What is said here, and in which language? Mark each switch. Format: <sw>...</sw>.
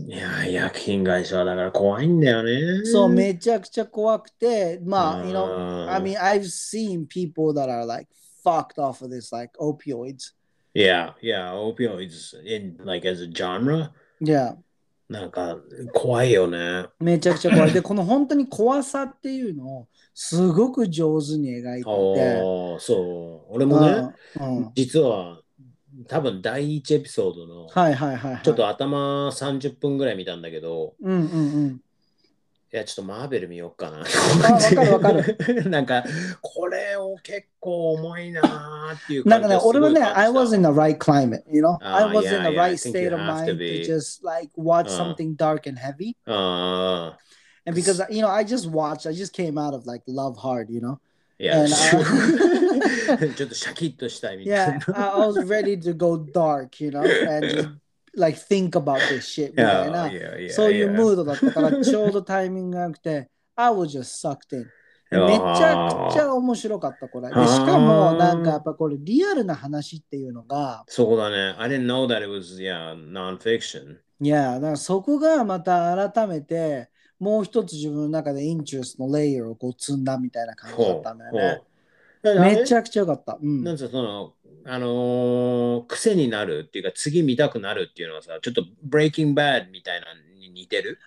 <ja>いや、薬品会社だから怖いんだよね。そう、めちゃくちゃ怖くて、まあ、</ja> <en>you know, I mean, I've seen people that are like fucked off of this, like opioids. Yeah, yeah, opioids in like as a genre. Yeah.</en> <ja>なんか怖いよね。めちゃくちゃ怖い。で、この本当に怖さっていうのをすごく上手に描いてて。そう。俺もね、実は多分第一エピソードの、はいはいはい、ちょっと頭30分ぐらい見たんだけど、うんうんうん。いや、ちょっとマーベル見よっかな。分かる分かる。なんか、これを結構重いなーっていう感じ。なんかね、俺はね、</ja> <en>I was in the right climate, you know? I was in the right state of mind to just like watch something dark and heavy. And because, you know, I just watched, I just came out of like Love Hard, you know? Yeah, sure.</en> <ja>ちょっとシャキッとしたいみたいな。</ja> <en>Yeah, I was ready to go dark, you know? And just... Like, think about this shit,</en> <ja>みたいな。</ja> <en>Yeah,</en> <ja>そういうムードだったから、ちょうどタイミングが良くて、</ja> <en>I was just sucked in.</en> <ja>めちゃくちゃ面白かった、これ。でしかも、なんかやっぱこれ、リアルな話っていうのが。そこだね。</ja> <en>I didn't know that it was, yeah, non-fiction. Yeah,</en> <ja>だからそこがまた改めて、もう一つ自分の中でインチューストのレイヤーをこう積んだみたいな感じだったんだよね。めちゃくちゃ良かった。なんかその、癖になるっていうか、次見たくなるっていうのはさ、ちょっとブレイキングバッドみたいなのに似てる？</ja>